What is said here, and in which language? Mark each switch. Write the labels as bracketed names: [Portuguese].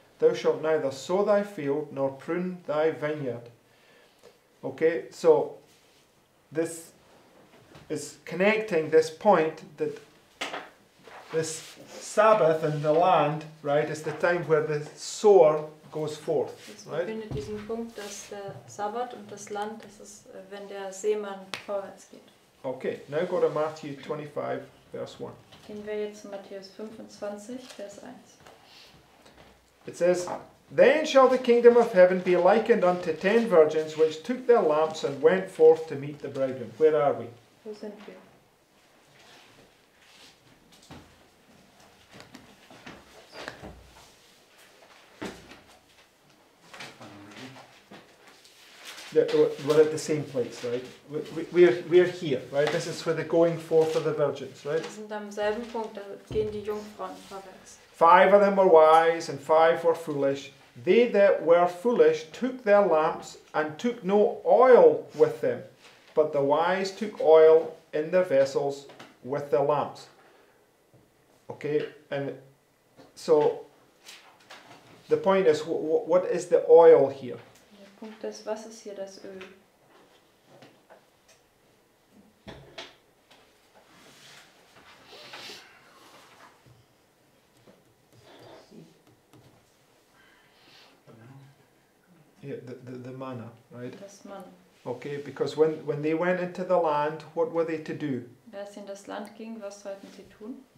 [English] Thou shalt neither sow thy field nor prune thy vineyard. Okay, so this is connecting this point that this Sabbath in the land, right, is the time where the sower goes forth, right? [German] Ich finde diesen Punkt, dass der Sabbat und das Land, das ist, wenn der Seemann vorwärts geht. [English] Okay, now go to Matthew 25, verse 1. [German] Gehen wir jetzt zu Matthäus 25, Vers 1. [English] It says, then shall the kingdom of heaven be likened unto 10 virgins which took their lamps and went forth to meet the bridegroom. Where are we? [German] Wo sind wir? [English] We're at the same place, right? We're here, right? This is where the going forth of the virgins, right? [German] Wir sind am selben Punkt, da gehen die Jungfrauen vorwärts. [English] Five of them were wise and five were foolish. They that were foolish took their lamps and took no oil with them, but the wise took oil in their vessels with their lamps. Okay, and so the point is, what is the oil here? [German] Punkt ist, was ist hier das Öl? [English] Yeah, the manna, right? [German] Das Manna. [English] Okay, because when they went into the land, what were they to do? [German] Als sie in das Land gingen, was sollten sie tun?